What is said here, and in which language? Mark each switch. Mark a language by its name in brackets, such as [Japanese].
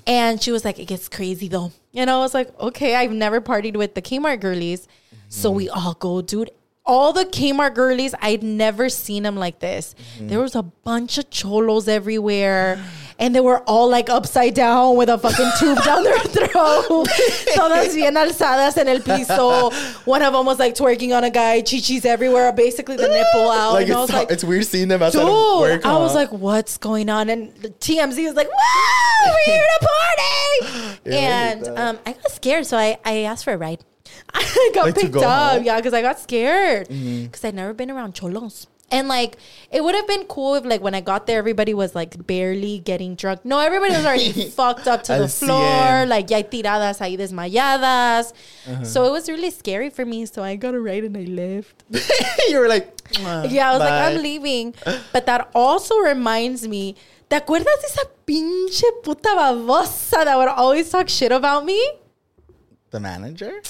[English] And she was like, it gets crazy though. And I was like, okay, I've never partied with the Kmart girlies. Mm-hmm. So we all go, dude. All the Kmart girlies, I'd never seen them like this. Mm-hmm. There was a bunch of cholos everywhere. And they were all like upside down with a fucking tube down their throat. [Spanish] Todas bien alzadas en el piso. [English] One of them was like twerking on a guy. Chichis everywhere. Basically the nipple out. Like, and it's, I was like, it's weird seeing them outside of work. I was like, what's going on? And the TMZ was like, woo, we're here to party. And I got scared. So I asked for a ride. I got like picked up. Yeah, because I got scared. Because I'd never been around cholos. And, like, it would have been cool if, like, when I got there, everybody was, like, barely getting drunk. No, everybody was already fucked up to the floor. [Spanish] Cien. Like, ya tiradas, ahí desmayadas. Uh-huh. [English] So it was really scary for me. So I got a ride and I left. You were like, yeah, I was like, I'm leaving. But that also reminds me, [Spanish] ¿te acuerdas de esa pinche puta babosa [English] that would always talk shit about me? The manager?